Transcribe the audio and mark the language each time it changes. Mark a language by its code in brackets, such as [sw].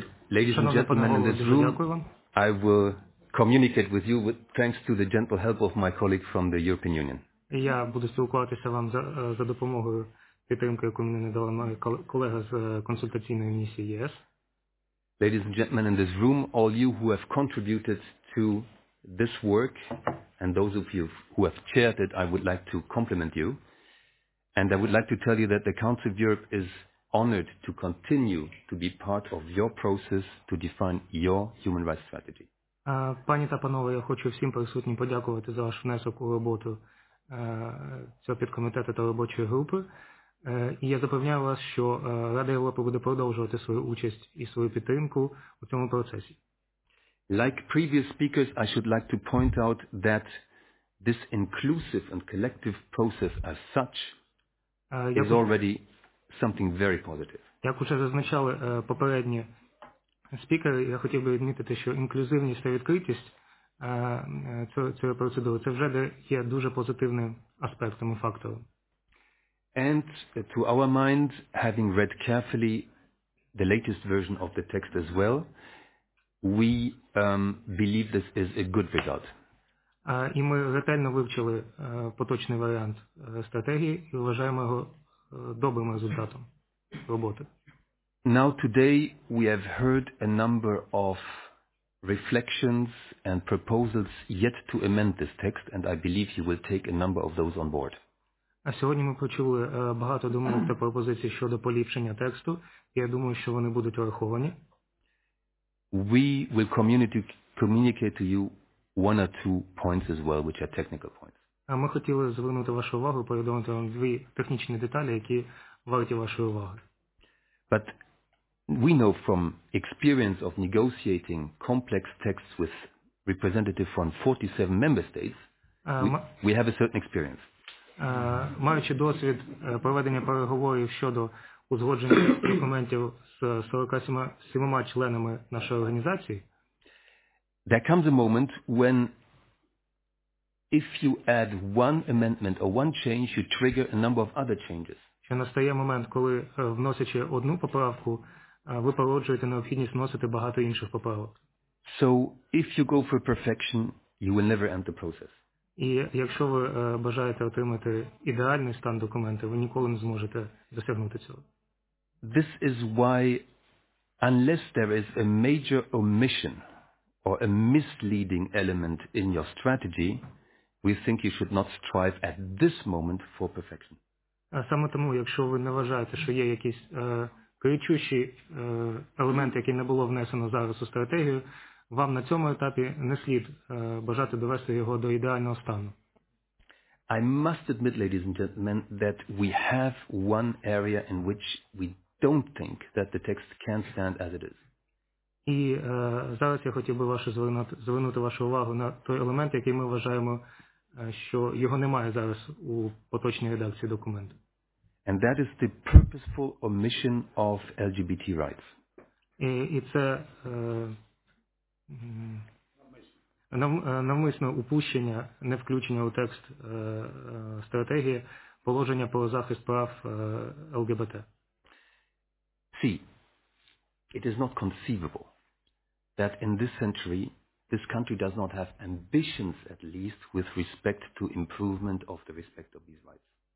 [en] Ladies and gentlemen in this room, I will communicate with you with thanks to the gentle help of my colleague from the European Union. [uk] Я буду спілкуватися вам за допомогою підтримки, яку мені надала моя колега з консультаційної місії ЄС. [en] Ladies and gentlemen in this room, all you who have contributed to this work and those of you who have chaired it, I would like to compliment you. And I would like to tell you that the Council of Europe is honored to continue to be part of your process to define your human rights strategy. [uk] Пані та панове, я хочу всім присутнім подякувати за ваш внесок у роботу цього підкомітету та робочої групи. І я запевняю вас, що Рада Європи буде продовжувати свою участь і свою підтримку у цьому процесі. [en] Like previous speakers, I should like to point out that this inclusive and collective process as such is already something very positive. [uk] Як уже зазначали попередні спікери, я хотів би відмітити, що інклюзивність та відкритість цієї процедури – це вже є дуже позитивним аспектом і фактором. [en] And to our mind, having read carefully the latest version of the text as well, we believe this is a good result. [uk] І ми ретельно вивчили поточний варіант стратегії і вважаємо його добрим результатом роботи. [en] Now today we have heard a number of reflections and proposals yet to amend this text, and I believe you will take a number of those on board. [uk] А сьогодні ми почули багато думок та пропозицій щодо поліпшення тексту. Я думаю, що вони будуть враховані. [en] We will communicate to you one or two points as well, which are technical points. [uk] А ми хотіли звернути вашу увагу, повідомити вам дві технічні деталі, які варті вашої уваги. [en] But we know from experience of negotiating complex texts with representatives from 47 member states, we have a certain experience. [uk] Маючи досвід проведення переговорів щодо узгодження документів з 47 членами нашої організації, [en] there comes a moment when if you add one amendment or one change, you trigger a number of other changes. [uk] Що настає момент, коли вносячи одну поправку, ви породжуєте необхідність вносити багато інших поправок. [en] So if you go for perfection, you will never end the process. [uk] І якщо ви бажаєте отримати ідеальний стан документу, ви ніколи не зможете досягнути цього. [en] This is why, unless there is a major omission or a misleading element in your strategy, we think you should not strive at this moment for perfection. [uk] А саме тому, якщо ви не вважаєте, що є якісь кричущі елементи, які не було внесено зараз у стратегію, вам на цьому етапі не слід бажати довести його до ідеального стану. [en] I must admit, ladies and gentlemen, that we have one area in which we don't think that the text can stand as it is. [uk] І зараз я хотів би звернути вашу увагу на той елемент, який ми вважаємо, що його немає зараз у поточній редакції документу. [en] And that is the purposeful omission of LGBT rights. [uk] І це навмисне упущення, не включення у текст стратегії положення про захист прав ЛГБТ. [en] See, it is not conceivable that in this century this country does not have ambitions at least with respect to improvement of the respect of these rights.